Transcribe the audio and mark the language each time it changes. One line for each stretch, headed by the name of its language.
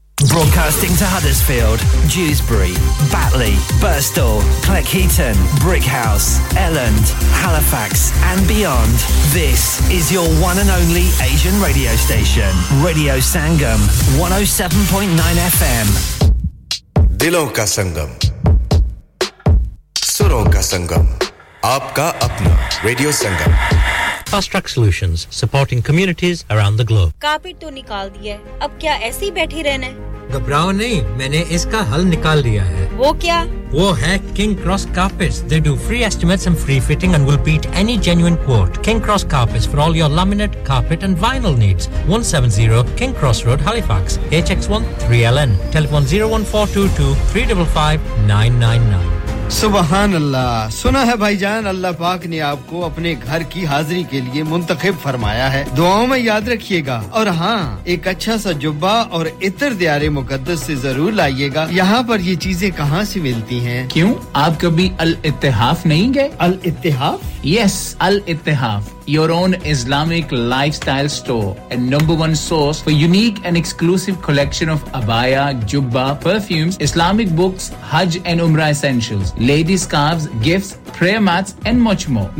English: Broadcasting to Huddersfield, Dewsbury, Batley, Birstall, Cleckheaton, Brickhouse, Elland, Halifax and beyond. This is your one and only Asian radio station. Radio Sangam, 107.9 FM.
Hindi: दिलों का संगम, सुरों का संगम, आपका अपना radio Sangam.
English: Fast Track Solutions, supporting communities around the globe.
Hindi: Carpet तो निकाल दिया, अब क्या ऐसे ही बैठे रहना है? घबराओ नहीं, मैंने इसका हल निकाल दिया है. वो क्या? वो है
English: King Cross Carpets. They do free estimates and free fitting and will beat any genuine quote. King Cross Carpets for all your laminate, carpet and vinyl needs. 170 King Cross Road, Halifax. HX1 3LN. Telephone 01422-355-999.
Hindi: सुभानअल्लाह, सुना है भाईजान, अल्लाह पाक ने आपको अपने घर की हाजिरी के लिए मुंतखब फरमाया है. दुआओं में याद रखिएगा. और हां, एक अच्छा सा जुब्बा और इत्र दियारे मुकद्दस से जरूर लाइएगा. यहां पर ये चीजें कहां से मिलती हैं? क्यों, आप कभी अल इत्तेहाफ नहीं गए? अल इत्तेहाफ?
English: Yes, अल इत्तेहाफ, your own Islamic lifestyle store and number one source for unique and exclusive collection of abaya, jubba, perfumes, Islamic books, Hajj and Umrah essentials, lady scarves, gifts, prayer mats and much more.